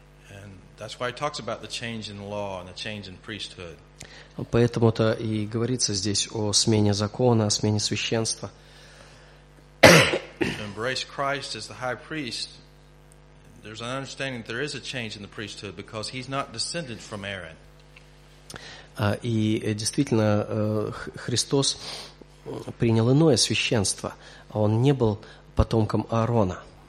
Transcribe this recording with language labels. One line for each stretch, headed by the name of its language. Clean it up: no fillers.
English: And that's why it talks about the change in law and the change in priesthood.
Russian: Поэтому-то и говорится здесь о смене закона, о смене священства.
English: To embrace Christ as the high priest, there's an understanding that there is a change in the priesthood because he's not descended from Aaron.
Russian: И действительно, Христос принял иное священство. Он не был потомком Аарона.